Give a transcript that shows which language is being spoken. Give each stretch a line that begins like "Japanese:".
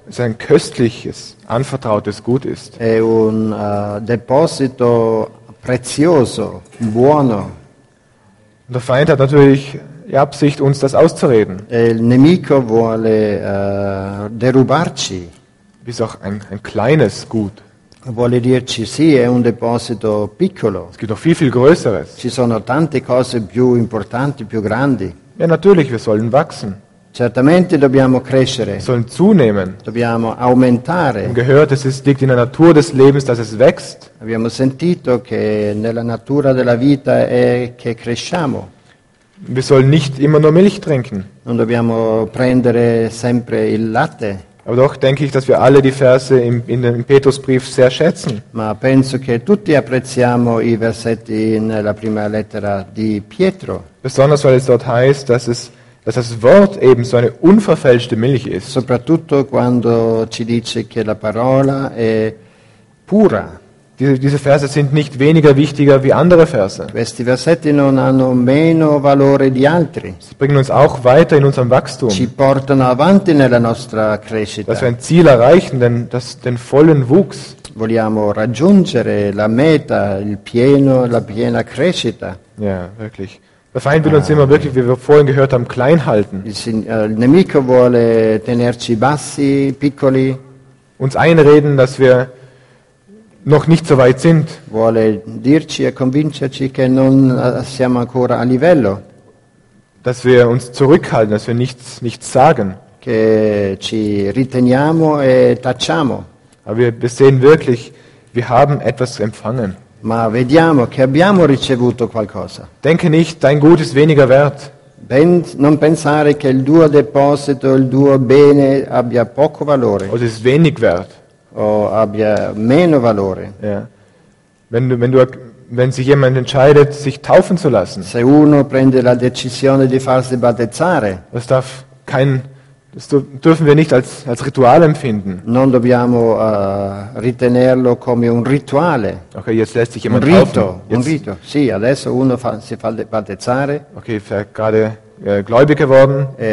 German: Es ist ein köstliches, anvertrautes Gut ist.
Italian: È un deposito prezioso, buono.
German: Der Feind hat natürlich die Absicht, uns das auszureden.
Italian: E il nemico vuole derubarci.
German: Ist auch ein kleines Gut.
Italian: Vuole dirci sì, è un deposito piccolo.
German: Es gibt noch viel, viel Größeres.
Italian: Ci sono tante cose più importanti, più grandi.
German: Ja, natürlich, wir sollen wachsen.
Italian: Certamente dobbiamo crescere.
German: Wir sollen zunehmen.
Italian: Dobbiamo aumentare.
German: Wir gehört, es liegt in der Natur des Lebens, dass es wächst.
Italian: Abbiamo sentito che nella natura della vita è che cresciamo.
German: Wir sollen nicht immer nur Milch trinken.
Italian: Non dobbiamo prendere sempre il latte.
German: Aber doch denke ich, dass wir alle die Verse in dem Petrusbrief sehr schätzen.
Italian: Ma penso che tutti apprezziamo i versetti nella prima lettera di Pietro.
German: Besonders weil es dort heißt, dass das Wort eben so eine unverfälschte Milch ist.
Italian: Soprattutto quando ci dice che la parola è pura.
German: Diese Verse sind nicht weniger wichtiger wie andere Verse.
Italian: Questi versetti non hanno meno valore di altri.
German: Sie bringen uns auch weiter in unserem Wachstum.
Italian: Ci portano avanti nella nostra crescita.
German: Dass wir ein Ziel erreichen, den vollen Wuchs.
Italian: Vogliamo raggiungere la meta, la piena crescita.
German: Ja, wirklich. Der Feind will uns immer wirklich, wie wir vorhin gehört haben, klein halten.
Italian: Il nemico vuole tenerci bassi, piccoli.
German: Uns einreden, dass wir noch nicht so weit sind.
Italian: Vuole dirci e convincerci che non siamo ancora a livello.
German: Dass wir uns zurückhalten, dass wir nichts sagen.
Italian: Che ci riteniamo e tacciamo.
German: Aber wir sehen wirklich, wir haben etwas empfangen.
Italian: Ma vediamo che abbiamo ricevuto qualcosa.
German: Denke nicht, dein Gut ist weniger wert.
Italian: Non pensare che il tuo deposito, il tuo bene abbia poco valore.
German: Oder ist wenig wert.
Italian: O abbia meno valore.
German: Ja. Wenn sich jemand entscheidet, sich taufen zu lassen.
Italian: Se uno prende la decisione di farsi battezzare.
German: Das darf kein, das dürfen wir nicht als Ritual empfinden.
Italian: Non dobbiamo ritenerlo come un rituale.
German: Okay, jetzt lässt sich jemand
Italian: un rito,
German: taufen.
Italian: Un rito. Sì, adesso uno si fa battezzare.
German: Okay, gerade gläubig geworden.